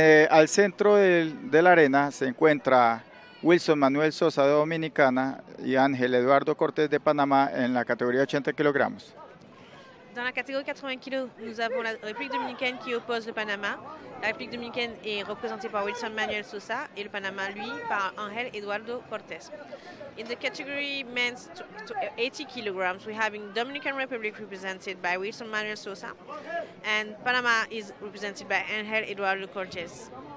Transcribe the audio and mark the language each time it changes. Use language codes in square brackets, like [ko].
[es] Al centro de la arena se encuentra Wilson Manuel Sosa de Dominicana y Ángel Eduardo Cortés de Panamá en la categoría 80 kilogramos. [fr] Dans la catégorie 80 kg, nous avons la République dominicaine qui oppose le Panama. La République dominicaine est représentée par Wilson Manuel Sosa et le Panama, lui, par Ángel Eduardo Cortés. [en] In the category men's 80 kilograms, we have the Dominican Republic represented by Wilson Manuel Sosa and Panama is represented by Ángel Eduardo Cortés.